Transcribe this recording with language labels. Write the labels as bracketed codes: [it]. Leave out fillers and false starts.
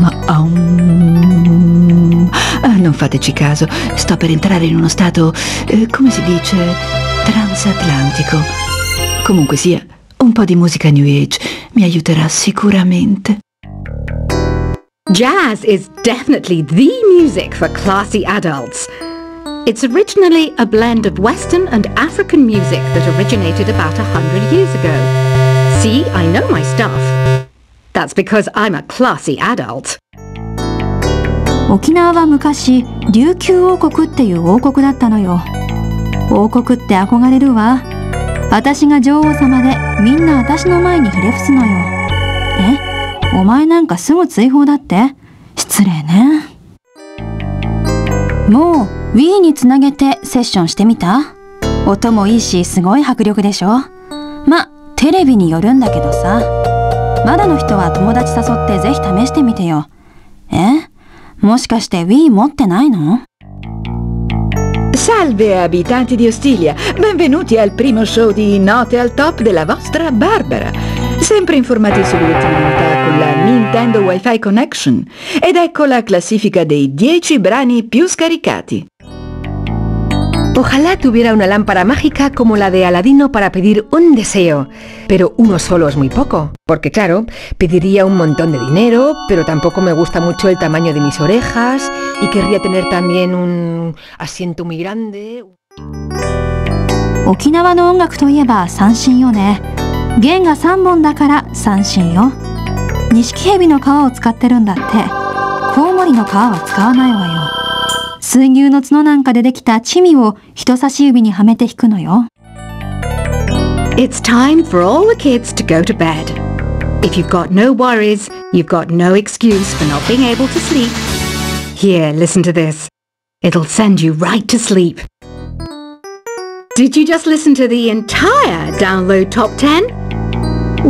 [it] Non fateci caso, sto per entrare in uno stato, come si dice, transatlantico. Comunque sia, un po' di musica New Age mi aiuterà sicuramente. [en] Jazz is definitely the music for classy adults. It's originally a blend of Western and African music that originated about 100 years ago. See, I know my stuff. That's because I'm a classy adult. [ja] 沖縄は昔、琉球王国っていう王国だったのよ。王国って憧れるわ。私が女王様で、みんな私の前にひれ伏すのよ。え？お前なんかすぐ追放だって？失礼ね。もう、Wii につなげてセッションしてみた？音もいいし、すごい迫力でしょ？ま、テレビによるんだけどさ。まだの人は友達誘ってぜひ試してみてよ。え？もしかして Wii 持ってないの？ [it] Salve abitanti di Ostiglia! Benvenuti al primo show di Note al Top della vostra Barbara! Sempre informati sull'ultima novità con la Nintendo Wi-Fi Connection! Ed ecco la classifica dei 10 brani più scaricati! [es] Ojalá tuviera una lámpara mágica como la de Aladino para pedir un deseo. Pero uno solo es muy poco. Porque claro, pediría un montón de dinero, pero tampoco me gusta mucho el tamaño de mis orejas y querría tener también un asiento muy grande. [ja] 沖縄の音楽といえば三線よね。弦が三本だから三線よ。錦蛇の皮を使ってるんだって。コウモリの皮は使わないわよ。水牛の角なんかでできたチミを人差し指にはめて弾くのよ。 [en] It's time for all the kids to go to bed. If you've got no worries, you've got no excuse for not being able to sleep. Here, listen to this. It'll send you right to sleep. Did you just listen to the entire download top 10?